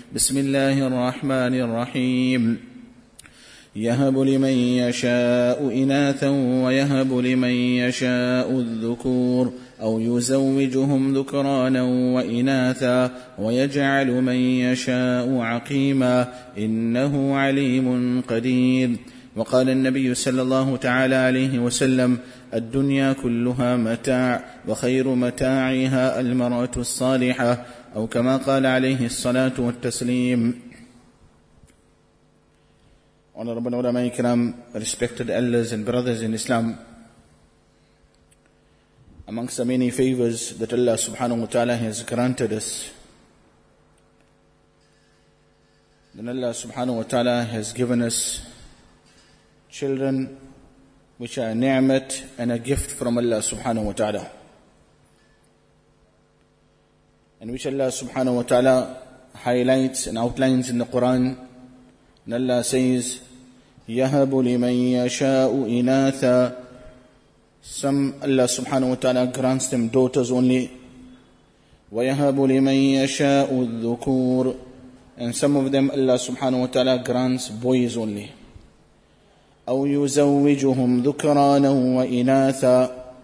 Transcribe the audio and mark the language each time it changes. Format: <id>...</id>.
<ar>بسم الله الرحمن الرحيم. يهب لمن يشاء إناثا ويهب لمن يشاء الذكور، أو يزوجهم ذكرانا وإناثا، ويجعل من يشاء عقيما، إنه عليم قدير. وقال النبي صلى الله تعالى عليه وسلم: الدنيا كلها متاع، وخير متاعها المرأة الصالحة، أو كما قال عليه الصلاة والتسليم.</ar> <en>Honorable ulama ikram, respected elders and brothers in Islam, amongst the many favors that Allah subhanahu wa ta'ala has granted us, then Allah subhanahu wa ta'ala has given us children, which are a ni'mat and a gift from Allah subhanahu wa ta'ala, and which Allah subhanahu wa ta'ala highlights and outlines in the Quran. And Allah says,</en> <ar>يهب لمن يشاء إناثا.</ar> <en>Some Allah subhanahu wa ta'ala grants them daughters only.</en> <ar>ويهب لمن يشاء الذكور.</ar> <en>And some of them Allah subhanahu wa ta'ala grants boys only.</en> <ar>أو يزوجهم ذكرانا وإناثا.</ar>